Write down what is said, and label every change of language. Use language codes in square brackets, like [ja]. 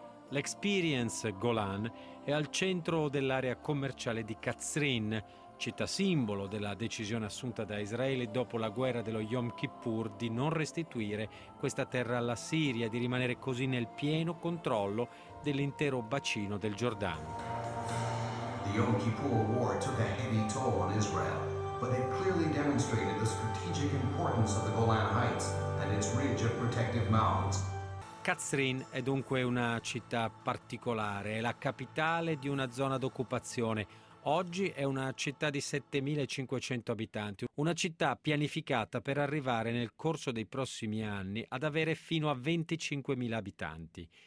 [it] L'Experience Golan è al centro dell'area commerciale di Katzrin, città simbolo della decisione assunta da Israele dopo la guerra dello Yom Kippur di non restituire questa terra alla Siria, di rimanere così nel pieno controllo dell'intero bacino del Giordano. [en] The Yom Kippur War took a heavy toll on Israel, but it clearly demonstrated the strategic importance of the Golan Heights and its ridge of protective mountains. [it] Katzrin è dunque una città particolare, è la capitale di una zona d'occupazione. Oggi è una città di 7.500 abitanti, una città pianificata per arrivare nel corso dei prossimi anni ad avere fino a 25.000 abitanti.